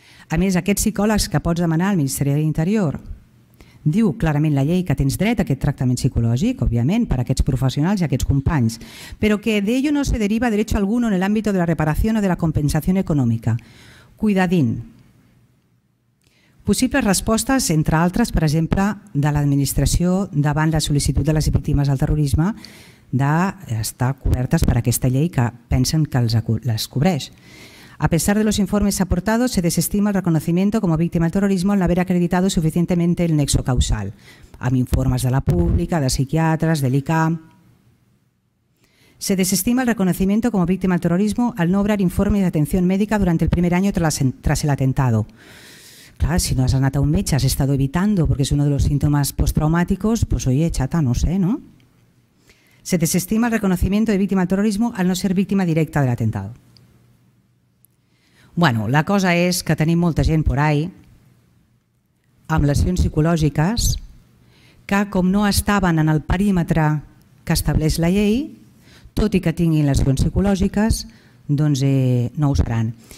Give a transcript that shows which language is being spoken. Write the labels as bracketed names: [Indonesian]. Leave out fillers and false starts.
[Catalan] A més, aquests psicòlegs que pots demanar al Ministeri de l'Interior diu clarament la llei que tens dret a aquest tractament psicològic, òbviament, per a aquests professionals i aquests companys, però que [Spanish] d'ello no se deriva derecho alguno en el ámbito de la reparación o de la compensación económica. Cuidadín. [Catalan] Possibles respostes, entre altres, per exemple, de l'administració davant la sol·licitud de les víctimes del terrorisme d'estar cobertes per aquesta llei que pensen que les cobreix. [Spanish] A pesar de los informes aportados, se desestima el reconocimiento como víctima del terrorismo al no haber acreditado suficientemente el nexo causal, [Catalan] amb informes de la pública, de psiquiatres, de l'ICAM. [Spanish] Se desestima el reconocimiento como víctima del terrorismo al no obrar informes de atención médica durante el primer año tras el atentado. [Catalan] Clar, si no has anat a un metge, [Spanish] has estado evitando, porque es uno de los síntomas postraumáticos, pues oye, chata, no sé, ¿no? Se desestima el reconocimiento de víctima del terrorismo al no ser víctima directa de l'atentado. [Catalan] Bueno, la cosa és que tenim molta gent [Spanish] por ahí [Catalan] amb lesions psicològiques que, com no estaven en el perímetre que estableix la llei, tot i que tinguin lesions psicològiques, doncs no ho seran.